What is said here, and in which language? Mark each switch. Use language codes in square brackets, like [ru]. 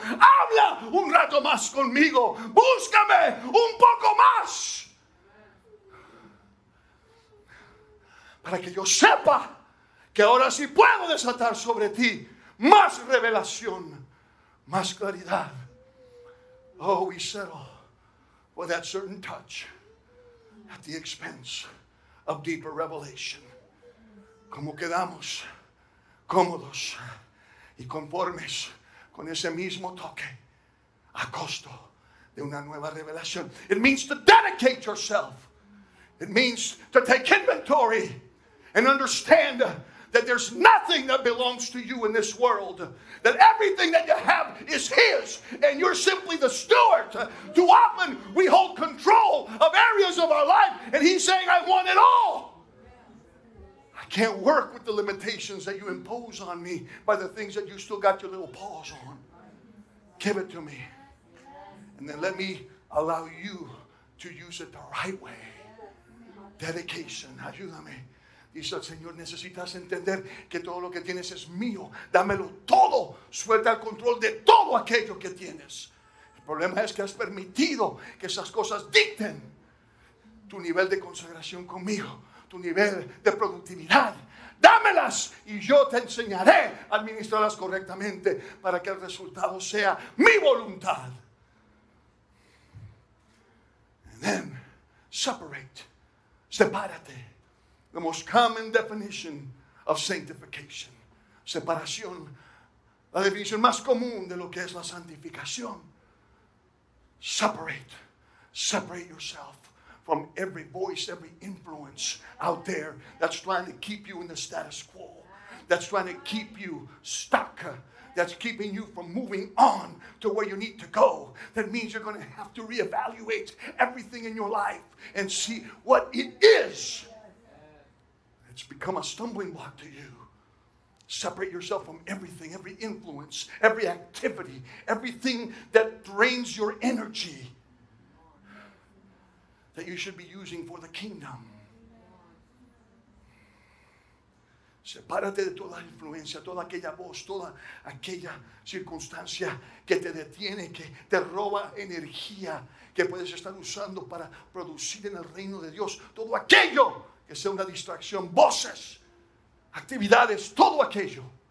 [es] Habla un rato más conmigo. Búscame un poco más. Para que yo sepa que ahora sí puedo desatar sobre ti más revelación, más claridad. [en] Oh, we settle for that certain touch at the expense of deeper revelation. [es] Como quedamos cómodos y conformes con ese mismo toque a costo de una nueva revelación. [en] It means to dedicate yourself. It means to take inventory and understand that there's nothing that belongs to you in this world. That everything that you have is his. And you're simply the steward. Too often we hold control of areas of our life. And he's saying, I want it all. I can't work with the limitations that you impose on me. By the things that you still got your little paws on. Give it to me. And then let me allow you to use it the right way. Dedication. [es] Ayúdame. Dice el Señor, necesitas entender que todo lo que tienes es mío. Dámelo todo. Suelta el control de todo aquello que tienes. El problema es que has permitido que esas cosas dicten tu nivel de consagración conmigo, tu nivel de productividad. Dámelas y yo te enseñaré a administrarlas correctamente para que el resultado sea mi voluntad. En [en] them. Separate. Sepárate. The most common definition of sanctification. Separación. [es] La definición más común de lo que es la santificación. [en] Separate. Separate yourself from every voice, every influence out there that's trying to keep you in the status quo. That's trying to keep you stuck. That's keeping you from moving on to where you need to go. That means you're going to have to reevaluate everything in your life and see what it is. It's become a stumbling block to you. Separate yourself from everything, every influence, every activity, everything that drains your energy that you should be using for the kingdom. [es] Sepárate de toda influencia, toda aquella voz, toda aquella circunstancia que te detiene, que te roba energía, que puedes estar usando para producir en el reino de Dios. Todo aquello que sea una distracción, voces, actividades, todo aquello.